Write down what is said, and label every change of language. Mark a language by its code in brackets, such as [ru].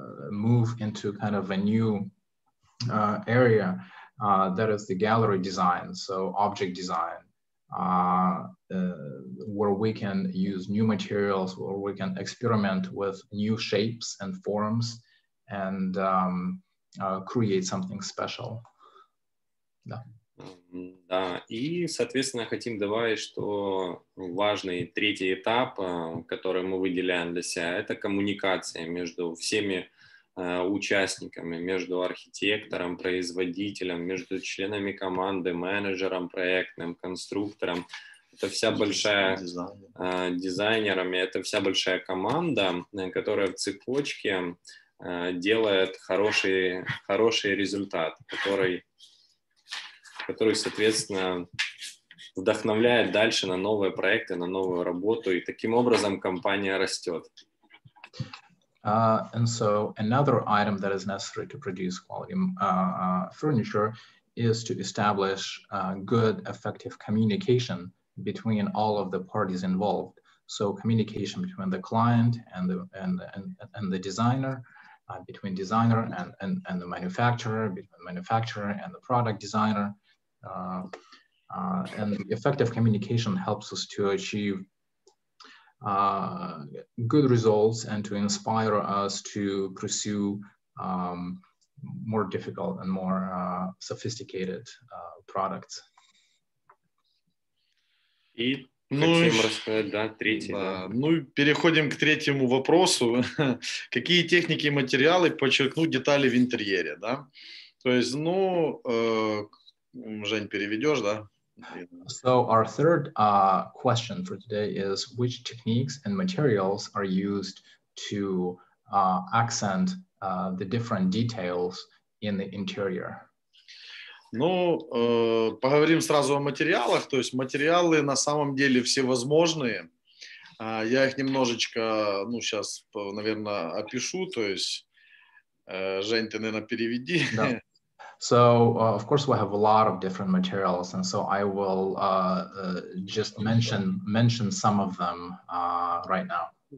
[en] move into kind of a new area that is the gallery design, so object design, where we can use new materials, where we can experiment with new shapes and forms and create something special. Yeah. [ru] Да, и, соответственно, хотим добавить, что важный третий этап, который мы выделяем для себя, это коммуникация между всеми участниками, между архитектором, производителем, между членами команды, менеджером проектным, конструктором. Это вся большая дизайнерами, это вся большая команда, которая в цепочке делает хороший результат, который, соответственно, вдохновляет дальше на новые проекты, на новую работу, и таким образом компания растет. [en] And so another item that is necessary to produce quality furniture is to establish good, effective communication between all of the parties involved. So communication between the client and the designer, between designer and the manufacturer, between manufacturer and the product designer. And effective communication helps us to achieve good results and to inspire us to pursue more difficult and more sophisticated products. [ru] Ну и переходим к третьему вопросу. Какие техники и материалы подчеркнут детали в интерьере? Да? То есть, ну... Жень, переведешь, да? [en] So our third question for today is which techniques and materials are used to accent the different details in the interior? [ru] Ну, поговорим сразу о материалах. То есть материалы на самом деле всевозможные. Я их немножечко, ну, сейчас, наверное, опишу. То есть, Жень, ты, наверное, переведи. [en] No. So, of course, we have a lot of different materials, and so I will just mention some of them right now.